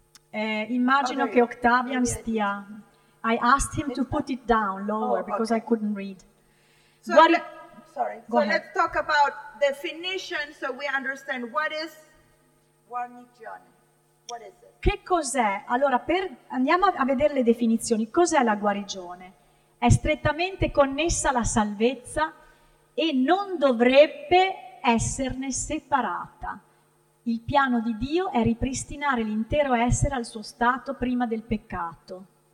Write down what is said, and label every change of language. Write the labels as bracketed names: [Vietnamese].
[Italian] Immagino che Octavian stia. [English] I asked him to put it down lower because I couldn't read. So let's talk about definition so we understand what is guarigione. What is it? [Italian] Che cos'è? Allora, andiamo a vedere le definizioni. Cos'è la guarigione? È strettamente connessa alla salvezza e non dovrebbe esserne separata. Il piano di Dio è ripristinare l'intero essere al suo stato prima del peccato.